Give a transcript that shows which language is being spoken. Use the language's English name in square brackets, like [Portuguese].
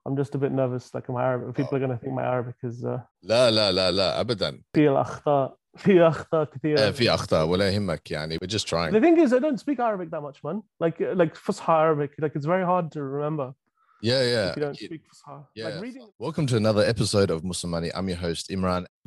[English] I'm just a bit nervous, like my Arabic. People are going to think my Arabic is. [Arabic] لا لا لا لا أبدا. في الأخطاء في أخطاء كثيرة. في أخطاء ولا يهمك يعني. [English] We're just trying. The thing is, I don't speak Arabic that much, man. Like Fusha Arabic. Like it's very hard to remember. Yeah, yeah. If you don't speak Fusha. Yeah. Like reading... Welcome to another episode of Muslimani. I'm your host Imran.